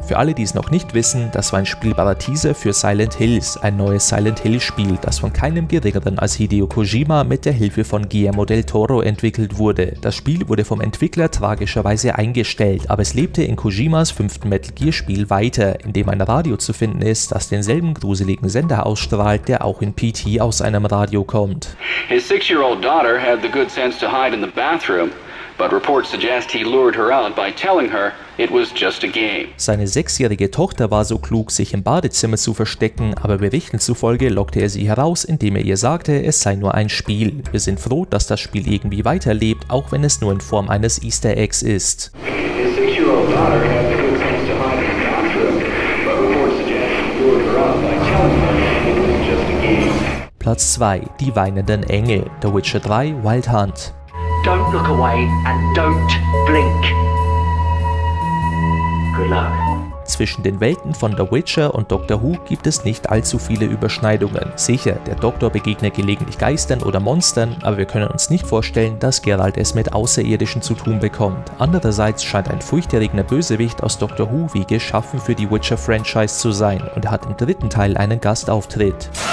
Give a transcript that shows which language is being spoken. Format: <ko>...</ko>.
<de>Für alle, die es noch nicht wissen, das war ein spielbarer Teaser für Silent Hills, ein neues Silent Hill-Spiel, das von keinem geringeren als Hideo Kojima mit der Hilfe von Guillermo del Toro entwickelt wurde. Das Spiel wurde vom Entwickler tragischerweise eingestellt, aber es lebte in Kojimas fünften Metal Gear-Spiel weiter, in dem ein Radio zu finden ist, das denselben gruseligen Sender ausstrahlt, der auch in PT aus einem Radio kommt.</de> <en>His 6-year-old daughter had the good sense to hide in the bathroom, but reports suggest he lured her out by telling her it was just a game.</en> <de>Seine 6-jährige Tochter war so klug, sich im Badezimmer zu verstecken, aber Berichten zufolge lockte er sie heraus, indem er ihr sagte, es sei nur ein Spiel. Wir sind froh, dass das Spiel irgendwie weiterlebt, auch wenn es nur in Form eines Easter Eggs ist.</de> <en>His 6-year-old daughter had the good sense to hide in the bathroom, but reports suggest he lured her out by telling her it was just a game.</en> <de>Platz 2. Die weinenden Engel.</de> <en>The Witcher 3 Wild Hunt. Don't look away and don't blink. Good luck.</en> <de>Zwischen den Welten von The Witcher und Doctor Who gibt es nicht allzu viele Überschneidungen. Sicher, der Doktor begegnet gelegentlich Geistern oder Monstern, aber wir können uns nicht vorstellen, dass Geralt es mit Außerirdischen zu tun bekommt. Andererseits scheint ein furchterregender Bösewicht aus Doctor Who wie geschaffen für die Witcher-Franchise zu sein und hat im dritten Teil einen Gastauftritt.</de>